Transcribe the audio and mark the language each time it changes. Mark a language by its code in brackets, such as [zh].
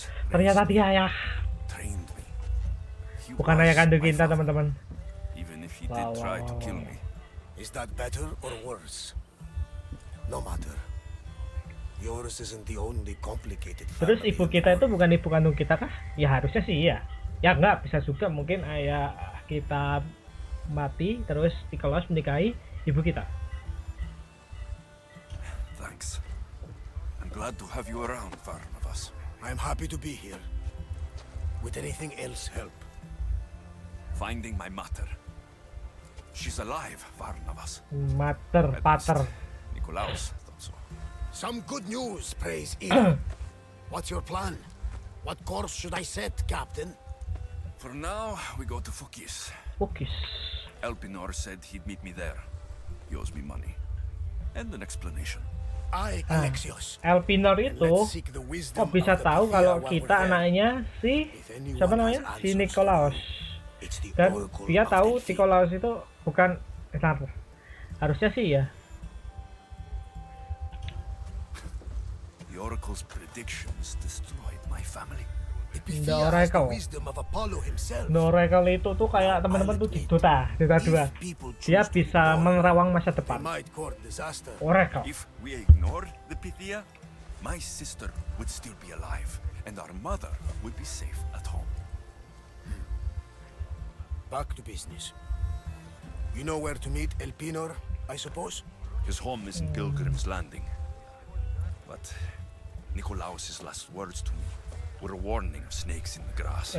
[id] Ternyata dia ya. Bukan ayah kandung kita, teman-teman. [en] Even if he did try to kill me. Is that better or worse? No matter. Yours isn't the only complicated. [id] Terus ibu kita itu bukan ibu kandung kita kah? Ya harusnya sih iya. Ya enggak, bisa juga mungkin ayah kita mati terus Nicholas menikahi ibu kita. [en] Thanks. I'm glad to have you around, Barnabas. I'm happy to be here. Would anything else help? Finding my mother. She's alive, Barnabas. Mother, pater. Nicholas, thought so. Some good news, praise Ian. What's your plan? What course should I set, Captain? For now, we go to Fukis. Fukis. Elpinor said he'd meet me there. He owes me money. And an explanation. I, Alexios. [id] Elpinor itu kok bisa tahu kalau kita anaknya si siapa namanya? Si Nicholas. Dan dia tahu Nicholas itu bukan Esar. Harusnya sih ya. [en] The Oracle's predictions destroyed my family. [id] The Oracle. The Oracle itu tuh kayak teman-teman tuh Dota 2. Dia bisa menerawang masa depan. [en] Oracle. If we ignore the Pythia, my sister would still be alive and our mother would be safe at home. Back to business. You know where to meet Elpinor, I suppose? His home is in Pilgrim's Landing. But Nicolaus's last words to me were a warning of snakes in the grass.